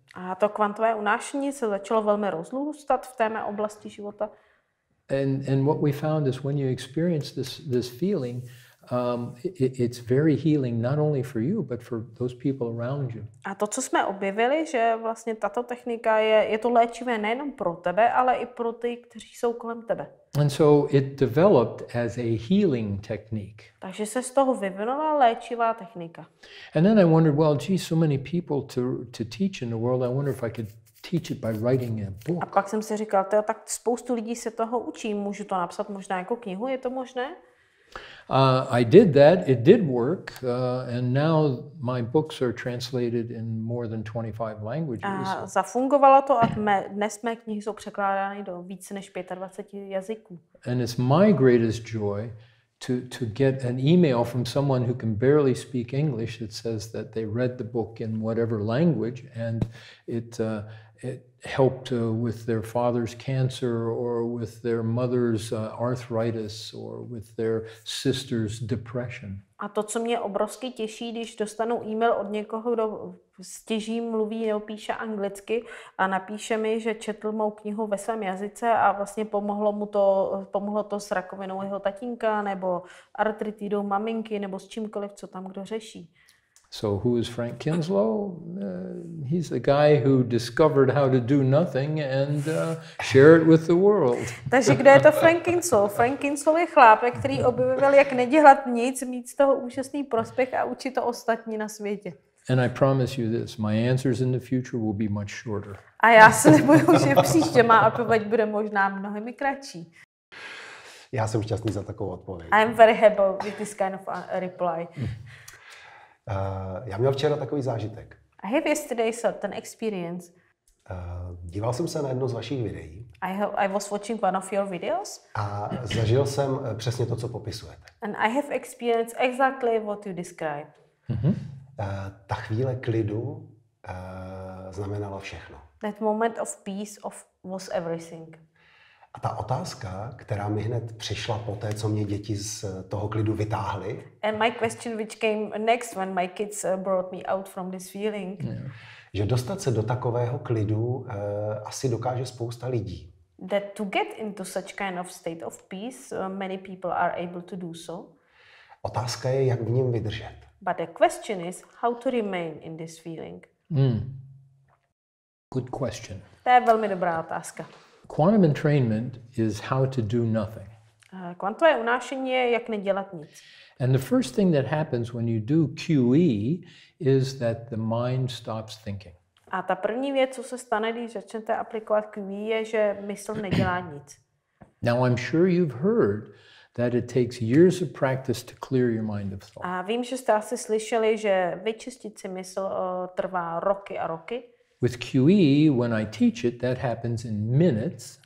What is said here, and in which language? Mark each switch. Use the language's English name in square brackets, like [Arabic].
[Czech] A to kvantové unášení se začalo velmi rozrůstat v té mé oblasti života. [English] And what we found is when you experience this feeling, it's very healing not only for you but for those people around you. [Czech] A to, co jsme objevili, že vlastně tato technika je to léčivé nejenom pro tebe, ale i pro ty, kteří jsou kolem tebe. [English] And so it developed as a healing technique. [Czech] Takže se z toho vyvinula léčivá technika. [English] And then I wondered, well, gee, so many people to teach in the world. I wonder if I could teach it by writing a book. [Czech] A pak jsem si říkal, tak spoustu lidí se toho učí, můžu to napsat možná jako knihu, je to možné? [English] I did that. It did work, and now my books are translated in more than 25 languages. [Czech] Zafungovalo to a dnes mé knihy jsou překládány do více než 25 jazyků. [English] And it's my greatest joy to get an email from someone who can barely speak English that says that they read the book in whatever language and it helped with their father's cancer or with their mother's arthritis or with their sister's depression. [Czech] A to, co mě obrovsky těší, když dostanu e-mail od někoho, kdo stěží mluví nebo píše anglicky a napíše mi, že četl mou knihu ve svém jazyce a vlastně pomohlo to s rakovinou jeho tatínka nebo artritidou maminky nebo s čímkoliv, co tam kdo řeší. [English] So who is Frank Kinslow? He's the guy who discovered how to do nothing and share it with the world. [Czech] Takže kdo je to Frank Kinslow? Frank Kinslow je chlápek, který objevil, jak nedělat nic, mít z toho úžasný prospěch a učit to ostatní na světě. [English] And I promise you this, my answers in the future will be much shorter. [Czech] A já se nebudu, že příště má odpověď bude možná mnohem kratší. Já jsem šťastný za takovou odpověď. [English] I'm very happy with this kind of reply. [Czech] Já měl včera takový zážitek. [English] I have yesterday certain experience. [Czech] Díval jsem se na jedno z vašich videí. [English] I was watching one of your videos. [Czech] A zažil jsem přesně to, co popisujete. [English] And I have experienced exactly what you described. Mm-hmm. [Czech] Ta chvíle klidu znamenala všechno. [English] That moment of peace was everything. [Czech] A ta otázka, která mi hned přišla po té, co mě děti z toho klidu vytáhly. [English] And my question which came next when my kids brought me out from this feeling. Yeah. [Czech] Že dostat se do takového klidu asi dokáže spousta lidí. [English] That to get into such kind of state of peace, many people are able to do so. [Czech] Otázka je, jak v něm vydržet. [English] But the question is how to remain in this feeling. Mm. Good question. [Czech] To je velmi dobrá otázka. [English] Quantum entrainment is how to do nothing. [Czech] Kvantové unášení je jak nedělat nic. [English] And the first thing that happens when you do QE is that the mind stops thinking. [Czech] A ta první věc, co se stane, když začnete aplikovat QE, je, že mysl nedělá nic. [English] Now I'm sure you've heard that it takes years of practice to clear your mind of thought. [Czech] A vím, že jste asi slyšeli, že vyčistit si mysl trvá roky a roky. [English] With QE, when I teach it, that happens in minutes.